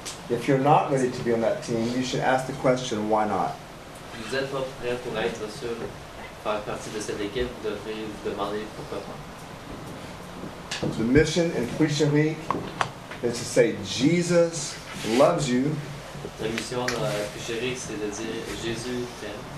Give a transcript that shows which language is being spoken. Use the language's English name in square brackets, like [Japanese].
[English] If you're not ready to be on that team, you should ask the question, why not? [French] Vous n'êtes pas prêt pour être sûr faire partie de cette équipe, vous devriez vous demander pourquoi pas. [English] The mission in Puy-Chéri is to say Jesus loves you. [French] La mission dans Puy-Chéri, c'est de dire Jésus t'aime.